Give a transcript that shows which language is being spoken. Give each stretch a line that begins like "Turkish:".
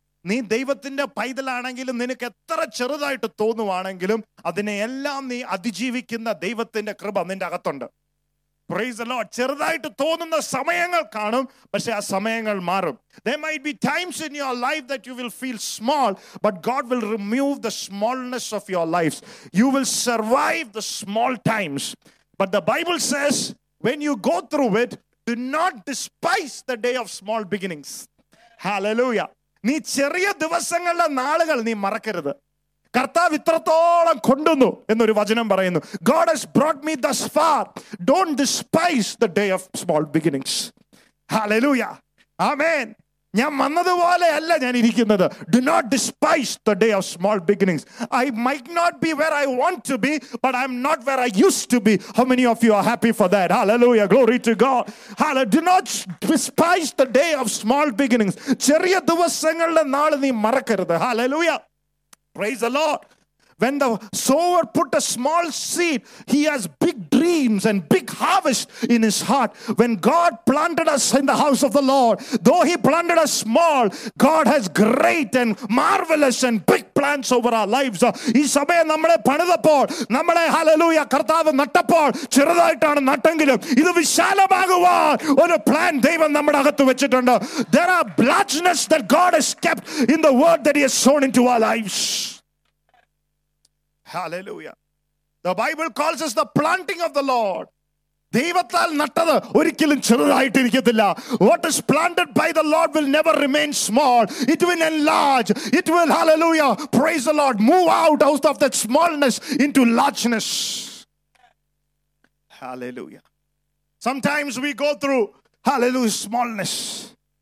Malayalam: നീ ദൈവത്തിന്റെ പൈതലാണെങ്കിലും നിനക്ക് എത്ര ചെറുതായിട്ട് തോന്നുവാണെങ്കിലും അതിനെ എല്ലാം നീ അതിജീവിക്കുന്ന ദൈവത്തിന്റെ കൃപ നിന്റെ അകത്തുണ്ട്.
English: Praise the Lord.
Malayalam: ചെറുതായിട്ട് തോന്നുന്ന സമയങ്ങൾ കാണും, പക്ഷെ ആ സമയങ്ങൾ മാറും.
English: There might be times in your life that you will feel small, but God will remove the smallness of your lives. You will survive the small times. But the Bible says, when you go through it, do not despise the day of small beginnings. Hallelujah.
Malayalam: നീ ചെറിയ ദിവസങ്ങളുടെ നാളുകൾ നീ മറക്കരുത്. കർത്താവ് ഇത്രത്തോളം കൊണ്ടുവന്നു എന്നൊരു വചനം പറയുന്നു.
English: God has brought me thus far. Don't despise the day of small beginnings. Hallelujah. Amen.
Malayalam: ഞാൻ വന്നതുപോലെ അല്ല ഞാൻ ഇരിക്കുന്നത്.
English: Do not despise the day of small beginnings. I might not be where I want to be, but I'm not where I used to be. How many of you are happy for that? Hallelujah. Glory to God. Hallelujah. Do not despise the day of small beginnings.
Malayalam: ചെറിയ ദിവസങ്ങളുടെ നാളെ നീ മറക്കരുത്.
English: Hallelujah. Praise the Lord. When the sower put a small seed, he has big dreams and big harvest in his heart. When God planted us in the house of the Lord, though he planted us small, God has great and marvelous and big plans over our lives.
Malayalam: ഈ സമയം നമ്മളെ പണിതപ്പോൾ നമ്മളെ hallelujah കർത്താവ് നട്ടപ്പോൾ ചെറുതായിട്ടാണ് നട്ടെങ്കിലും ഇത് വിശാലമാകുവാൻ ഒരു plan ദൈവം നമ്മുടെ അകത്ത് വെച്ചിട്ടുണ്ട്.
English: There are blessings that God has kept in the word that he has sown into our lives. Hallelujah. The Bible calls us the planting of the Lord.
Malayalam: ദൈവത്താൽ നട്ടത് ഒരിക്കലും ചെറുതായിട്ടിരിക്കത്തില്ല.
English: What is planted by the Lord will never remain small. It will enlarge. It will, hallelujah, praise the Lord, move out of that smallness into largeness. Hallelujah. Sometimes we go through, hallelujah, smallness.